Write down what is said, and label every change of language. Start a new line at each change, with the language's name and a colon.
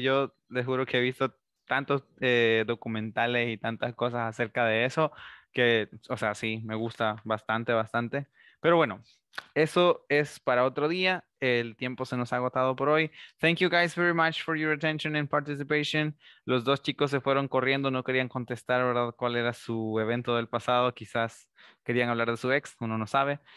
Spanish: Yo les juro que he visto tantos documentales y tantas cosas acerca de eso que, o sea, sí, me gusta bastante, bastante. Pero bueno, eso es para otro día. El tiempo se nos ha agotado por hoy.
English: Thank you guys very much for your attention and participation.
Spanish: Los dos chicos se fueron corriendo, no querían contestar, ¿verdad? ¿Cuál era su evento del pasado? Quizás querían hablar de su ex, uno no sabe.